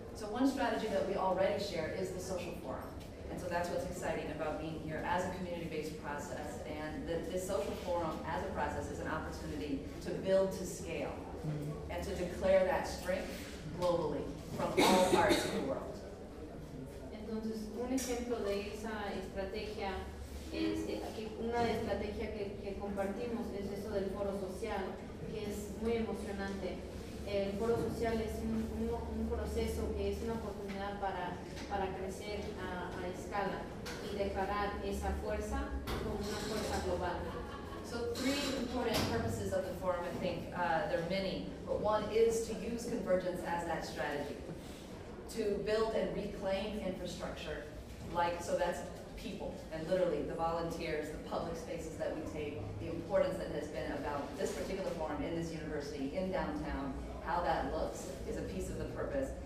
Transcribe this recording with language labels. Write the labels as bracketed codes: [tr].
[en] So one strategy that we already share is the social forum. And so that's what's exciting about being here as a community-based process. And this social forum as a process is an opportunity to build to scale and to declare that strength globally from all parts of the world. [es] Entonces, un ejemplo de esa estrategia es que una estrategia que compartimos es eso del foro social, que es muy emocionante. El foro social es un proceso que es una oportunidad para crecer a escala y declarar esa fuerza como una fuerza global. [en] So three important purposes of the forum, I think there are many, but one is to use convergence as that strategy, to build and reclaim infrastructure, like, so that's people, and literally the volunteers, the public spaces that we take, the importance that has been about this particular forum in this university, in downtown, how that looks is a piece of the purpose.